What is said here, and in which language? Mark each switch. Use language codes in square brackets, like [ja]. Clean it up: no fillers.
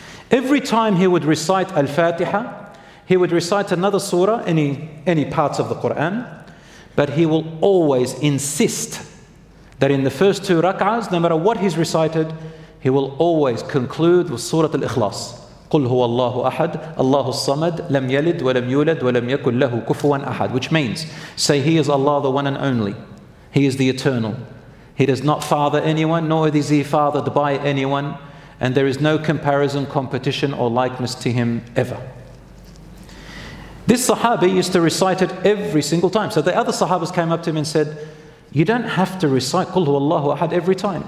[en] Every time he would recite Al-Fatiha, he would recite another surah, any parts of the Qur'an, but he will always insist that in the first two rak'ahs, no matter what he's recited, he will always conclude with Surah Al-Ikhlas. [ar] قُلْ هُوَ اللَّهُ أَحَدْ اللَّهُ الصَّمَدْ لَمْ يَلِدْ وَلَمْ يُولَدْ وَلَمْ يَكُلْ لَهُ كُفُوًا أَحَدْ, [en] which means, say, He is Allah, the one and only. He is the eternal. He does not father anyone, nor is he fathered by anyone, and there is no comparison, competition, or likeness to him ever. This Sahabi used to recite it every single time. So the other Sahabas came up to him and said, you don't have to recite Qul Huwallahu Ahad every time.